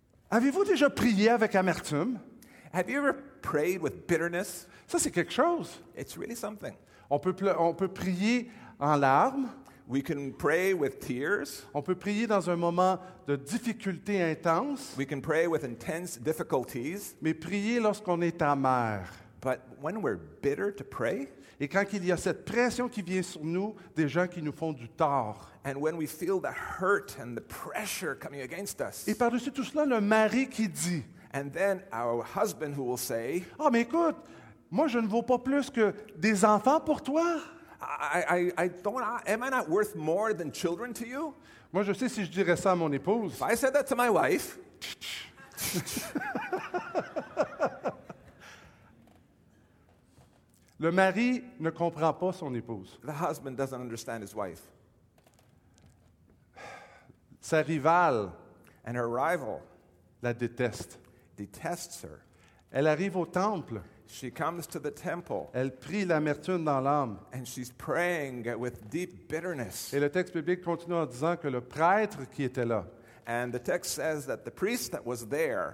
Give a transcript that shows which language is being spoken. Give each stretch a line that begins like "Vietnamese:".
French: Avez-vous déjà prié avec amertume?
English: Have you ever prayed with bitterness?
French: Ça, c'est quelque chose.
English: It's really something.
French: On peut prier en larmes.
English: We can pray with tears.
French: On peut prier dans un moment de difficulté intense.
English: We can pray with intense difficulties.
French: Mais prier lorsqu'on est amer.
English: But when we're bitter to pray.
French: Et quand il y a cette pression qui vient sur nous, des gens qui nous font du tort.
English: And when we feel the hurt and the pressure coming against us.
French: Et par-dessus tout cela, le mari qui dit.
English: And then our husband who will say,
French: oh, mais écoute, moi je ne vaux pas plus que des enfants pour toi.
English: Am I not worth more than children to you?
French: Moi je sais si je dirais ça à mon épouse.
English: If I said that to my wife.
French: Le mari ne comprend pas son épouse.
English: The husband doesn't understand his wife.
French: Sa rivale.
English: And her rival.
French: La déteste.
English: Detests her.
French: Elle arrive au temple.
English: She comes to the temple.
French: Elle prie l'amertume dans l'âme.
English: And she's praying with deep bitterness.
French: Et le texte biblique continue en disant que le prêtre qui était là.
English: And the text says that the priest that was there.